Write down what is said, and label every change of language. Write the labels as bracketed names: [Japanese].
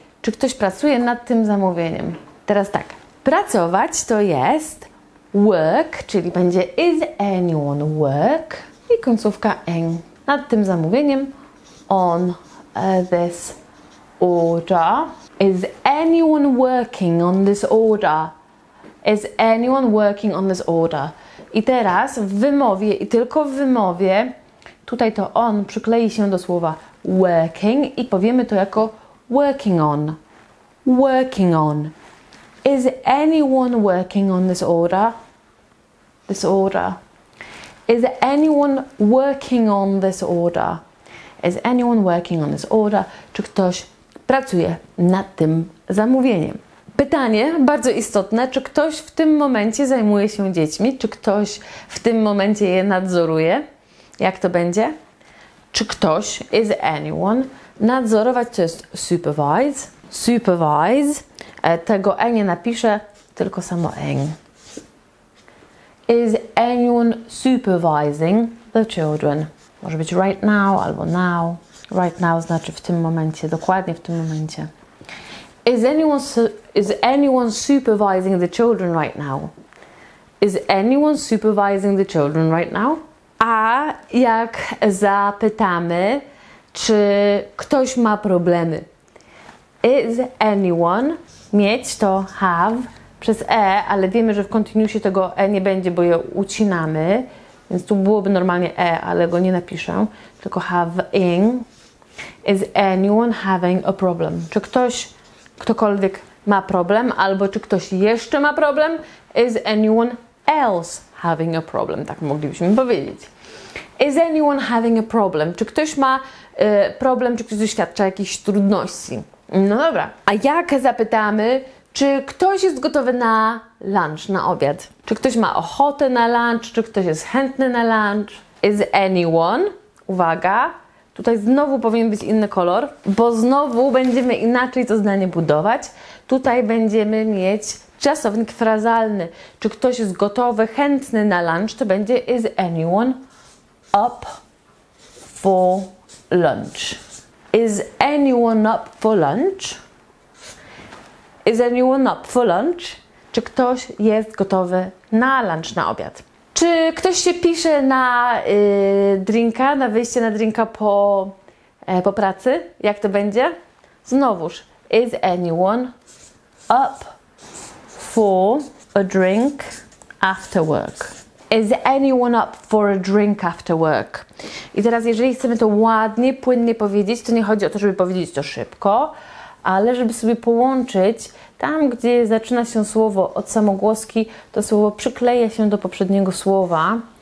[Polish] Czy ktoś pracuje nad tym zamówieniem? Teraz tak. Pracować to jest work, czyli będzie [English] is anyone work? [Polish] I końcówka ing. Nad tym zamówieniem [English] on this order. Is anyone working on this order? Is anyone working on this order? [Polish] I teraz w wymowie i tylko w wymowie tutaj to on przyklei się do słowa working i powiemy to jako [English] working on, working on. Is anyone working on this order? This order. Is anyone working on this order? Is anyone working on this order? [Polish] Czy ktoś pracuje nad tym zamówieniem? Pytanie bardzo istotne, czy ktoś w tym momencie zajmuje się dziećmi? Czy ktoś w tym momencie je nadzoruje? Jak to będzie? Czy ktoś, [English] is anyone, [Polish] nadzorować to jest supervise, supervise, tego e nie napiszę, tylko samo en. [English] Is anyone supervising the children? [Polish] Może być [English] right now [Polish] albo now. [English] Right now [Polish] znaczy w tym momencie, dokładnie w tym momencie. [English] Is anyone supervising the children right now? Is anyone supervising the children right now? [Polish] A jak zapytamy, czy ktoś ma problemy? [English] Is anyone, [Polish] mieć to have przez e, ale wiemy, że w kontinuusie tego e nie będzie, bo je ucinamy, więc tu byłoby normalnie e, ale go nie napiszę, tylko having. [English] Is anyone having a problem? [Polish] Czy ktoś, ktokolwiek ma problem, albo czy ktoś jeszcze ma problem? [English] Is anyone else having a problem? [Polish] Tak moglibyśmy powiedzieć. [English] Is anyone having a problem? [Polish] Czy ktoś ma problem, czy ktoś doświadcza jakichś trudności? No dobra, a jak zapytamy, czy ktoś jest gotowy na lunch, na obiad? Czy ktoś ma ochotę na lunch, czy ktoś jest chętny na lunch? [English] Is anyone, [Polish] uwaga, tutaj znowu powinien być inny kolor, bo znowu będziemy inaczej to zdanie budować. Tutaj będziemy mieć czasownik frazalny. Czy ktoś jest gotowy, chętny na lunch, to będzie [English] is anyone up for lunch. Is anyone up for lunch? Is anyone up for lunch? [Polish] Czy ktoś jest gotowy na lunch, na obiad? Czy ktoś się pisze na drinka, na wyjście na drinka po pracy? Jak to będzie? Znowuż, [English] is anyone up for a drink after work? Is anyone up for a drink after work? [Polish] I teraz, jeżeli chcemy to ładnie, płynnie powiedzieć, to nie chodzi o to, żeby powiedzieć to szybko, ale żeby sobie połączyć tam, gdzie zaczyna się słowo od samogłoski, to słowo przykleja się do poprzedniego słowa.